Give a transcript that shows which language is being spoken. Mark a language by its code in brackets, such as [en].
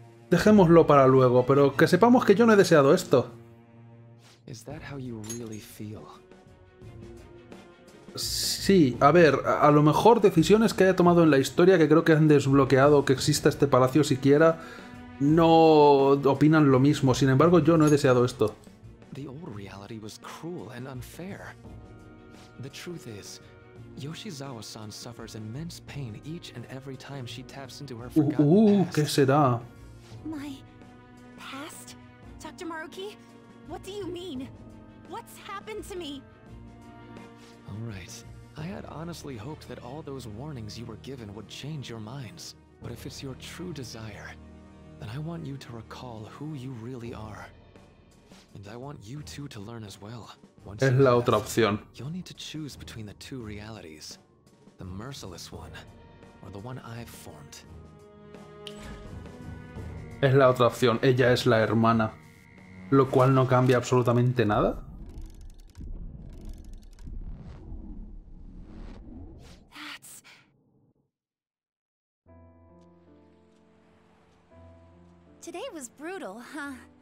[es] Dejémoslo para luego, pero que sepamos que yo no he deseado esto. ¿Es eso cómo realmente sientes? Sí, a ver, a lo mejor decisiones que haya tomado en la historia que creo que han desbloqueado que exista este palacio siquiera no opinan lo mismo. Sin embargo, yo no he deseado esto. [en] The old reality was cruel and unfair. The truth is, Yoshizawa-san suffers immense pain each and every time she taps into her forgotten past. [es] ¿Qué será? [en] My past? Dr. Maruki, what do you mean? What's happened to me? All right. I had honestly hoped that all those warnings you were given would change your minds. But if it's your true desire, then I want you to recall who you really are. And I want you two to learn as well. [es] Once es la left, otra opción. [en] You'll need to choose between the two realities. The merciless one, or the one I've formed. [es] Es la otra opción. Ella es la hermana. Lo cual no cambia absolutamente nada. [en] Today was brutal, huh?